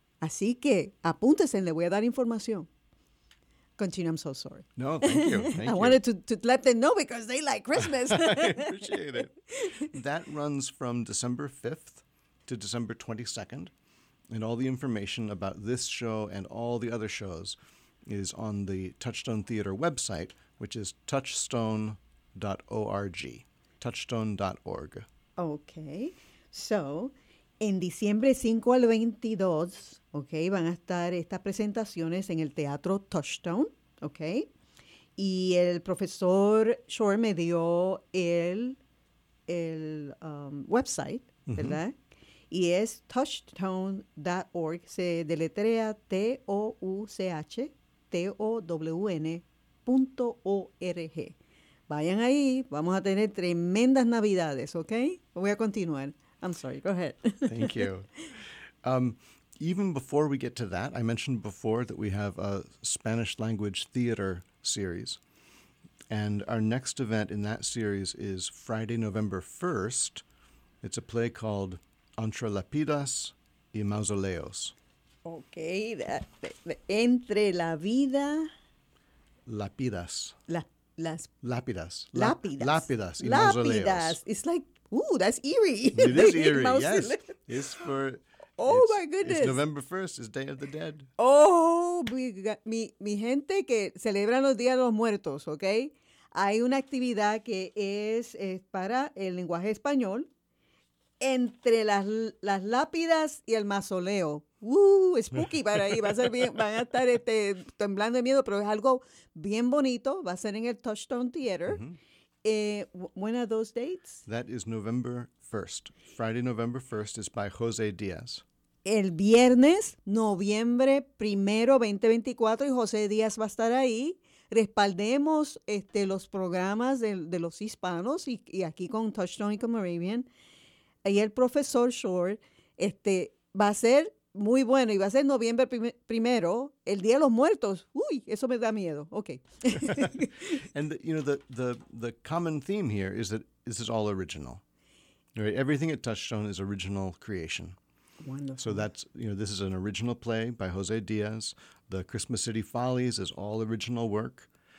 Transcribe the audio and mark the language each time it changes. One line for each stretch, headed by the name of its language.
Spanish: Así que apúntese, le voy a dar información.
English: Continue, I'm so sorry. No, thank you. I wanted to let them know because they like Christmas. I appreciate it. That runs from December 5th to December 22nd. And all the information about this show and all the other shows is on the Touchstone Theater website, which is touchstone.org, touchstone.org. Okay.
Spanish: So, en diciembre 5 al 22, okay, van a estar estas presentaciones en el Teatro Touchstone, okay? Y el profesor Shore me dio el website, ¿verdad? Mm-hmm. Y es touchstone.org, se deletrea touchstown.org. Vayan ahí, vamos a tener tremendas navidades, ¿ok? Voy a continuar.
English: I'm sorry, go ahead. Thank you. Even before we get to that, I mentioned before that we have a Spanish language theater series. And our next event in that series is Friday, November 1st. It's a play called Entre Lapidas y Mausoleos.
Spanish: Okay, entre la vida. Lapidas. Lapidas. Lapidas. Lapidas y mausoleos. Lapidas.
English: It's like, ooh, that's eerie. It is eerie, yes. It's for. Oh, my goodness. It's November 1st, it's Day of the Dead.
Spanish: Oh, mi gente que celebran los Días de los Muertos, okay? Hay una actividad que es para el lenguaje español. Entre las lápidas y el mausoleo. Spooky para ahí. Va a ser bien, van a estar temblando de miedo, pero es algo bien bonito. Va a ser en el Touchstone Theater. Mm-hmm.
English: When are those dates? That is November 1st. Friday, November 1st is by José Díaz.
Spanish: El viernes, noviembre primero, 2024, y José Díaz va a estar ahí. Respaldemos los programas de los hispanos y aquí con Touchstone y con Moravian. Y el profesor Shore va a ser muy bueno y va a ser noviembre primero, el Día de los Muertos. Uy, eso me da miedo. Okay.
English: And the common theme here is that this is all original. Right? Everything at Touchstone is original creation. Wonderful. So that's, this is an original play by José Díaz. The Christmas City Follies is all original work.